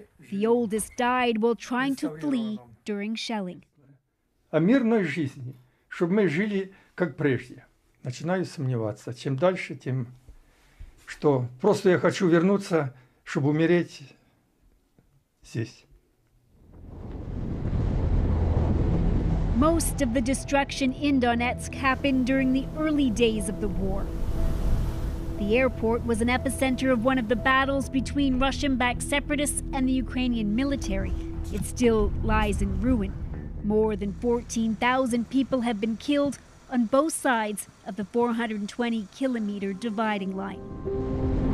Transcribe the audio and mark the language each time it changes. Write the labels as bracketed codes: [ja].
[en] The oldest died while trying to flee during shelling. [ru] А мирной жизни, чтобы мы жили как прежде. Начинаю сомневаться, чем дальше, тем что просто я хочу вернуться, чтобы умереть здесь. [en] Most of the destruction in Donetsk happened during the early days of the war. The airport was an epicenter of one of the battles between Russian-backed separatists and the Ukrainian military. It still lies in ruin. More than 14,000 people have been killed on both sides of the 420-kilometer dividing line.